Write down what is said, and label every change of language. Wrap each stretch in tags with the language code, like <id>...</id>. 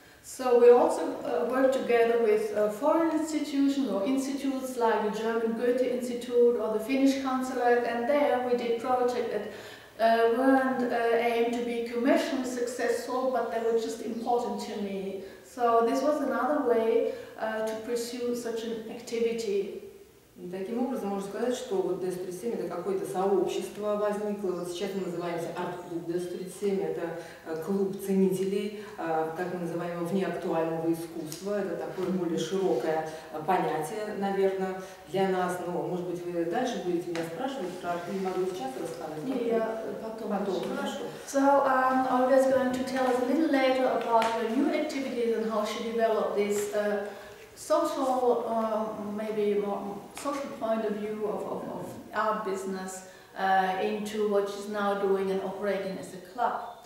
<en>So we also work together with foreign institutions or institutes like the German Goethe Institute or the Finnish Consulate, and there we did project at weren't aimed to be commercially successful, but they were just important to me. So this was another way to pursue such an activity.</en> <ru>Таким образом, можно сказать, что вот D37 это какое-то сообщество возникло. Вот сейчас мы называемся арт-клуб D37. Это клуб ценителей, как мы называем его, внеактуального искусства. Это такое более широкое понятие, наверное, для нас. Но, может быть, вы дальше будете меня спрашивать про арт, или могу сейчас рассказать? Нет, я потом. Потом, хорошо.</ru> <en>So, Olga's going to tell us a little later about her new activities and how she developed this social, maybe more social point of view of our business into what she's now doing and operating as a club.</en>